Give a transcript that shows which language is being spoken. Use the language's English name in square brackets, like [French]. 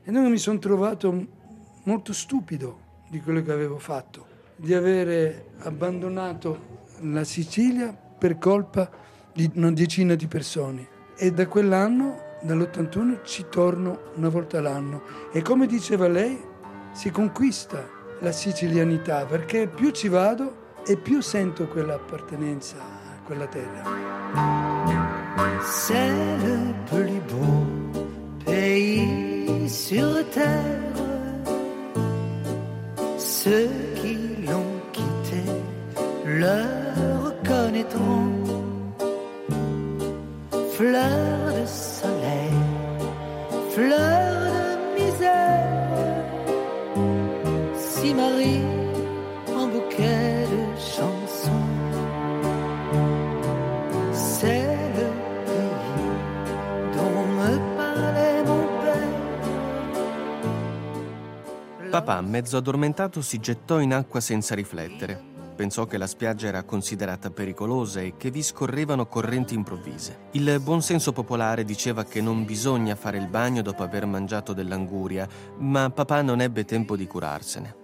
[Italian] E noi mi sono trovato molto stupido di quello che avevo fatto, di avere abbandonato la Sicilia per colpa di una decina di persone. E da quell'anno, dall'81, ci torno una volta all'anno. E come diceva lei, si conquista la sicilianità, perché più ci vado e più sento quell'appartenenza a quella terra. [French] C'est le plus beau pays sur terre. Ceux qui l'ont quitté le reconnaîtront. Fleur de soleil, fleur de misère, si Marie en bouquet de chansons. C'est le pays dont me parlait mon père. [Italian] Papà, mezzo addormentato, si gettò in acqua senza riflettere. Pensò che la spiaggia era considerata pericolosa e che vi scorrevano correnti improvvise. Il buon senso popolare diceva che non bisogna fare il bagno dopo aver mangiato dell'anguria, ma papà non ebbe tempo di curarsene.